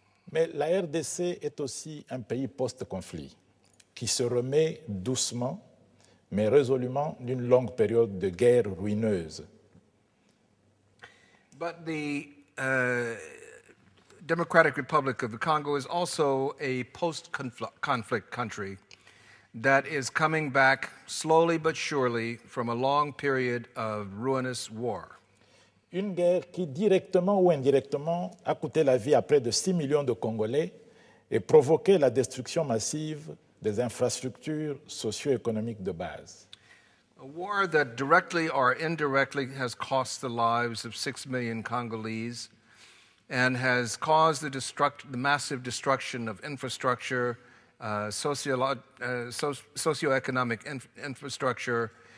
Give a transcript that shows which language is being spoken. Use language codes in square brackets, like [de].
[fr] Mais la RDC est aussi un pays post-conflit qui se remet doucement mais résolument d'une longue période de guerre ruineuse. [en] But the Democratic Republic of the Congo is also a post-conflict country that is coming back slowly but surely from a long period of ruinous war. [fr] Une guerre qui, directement ou indirectement, a coûté la vie à près de 6 millions de Congolais et provoqué la destruction massive des infrastructures socio-économiques de base. [en] A war that directly or indirectly has cost the lives of 6 million Congolese and has caused the massive destruction of infrastructure, socio-economic infrastructure,